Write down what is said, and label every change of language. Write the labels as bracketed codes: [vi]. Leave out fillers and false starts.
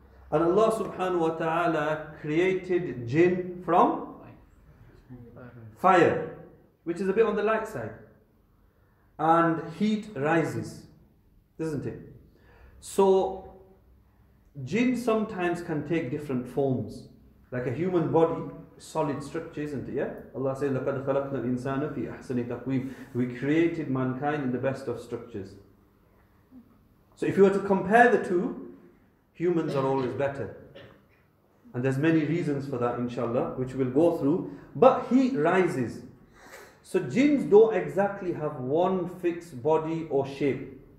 [en] And Allah subhanahu wa ta'ala created jinn from fire, which is a bit on the light side. And heat rises, isn't it? So, jinn sometimes can take different forms. Like a human body, solid structure, isn't it? Yeah? Allah says, [ar] لَقَدْ خَلَقْنَا الْإِنسَانَ فِي أَحْسَنِ تَقْوِيمٍ. [en] We created mankind in the best of structures. So if you were to compare the two, humans are always better. And there's many reasons for that, inshallah, which we'll go through. But heat rises. So jinns don't exactly have one fixed body or shape.